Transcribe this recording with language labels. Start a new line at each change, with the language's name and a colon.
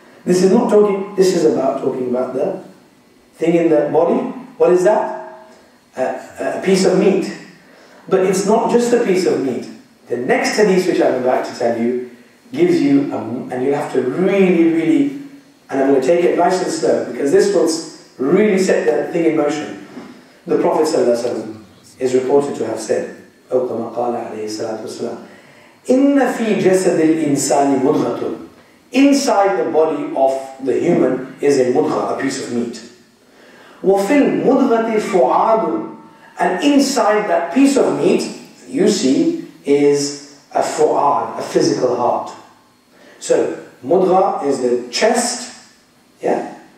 English: This is not talking, this is about talking about the thing in the body. What is that? A piece of meat. But it's not just a piece of meat. The next hadith which I'm about to tell you gives you, and you have to really, really, and I'm going to take it nice and slow, because this will really set the thing in motion. The Prophet ﷺ is reported to have said,
Arabic: أو كما قال عليه الصلاة والسلام, إن في جسد الإنسان مضغة.
English: Inside the body of the human is a mudgha, a piece of meat.
Arabic: وفي المضغة فعاد.
English: And inside that piece of meat, you see, is a fu'ad, a physical heart. So, mudgha is the chest, yeah?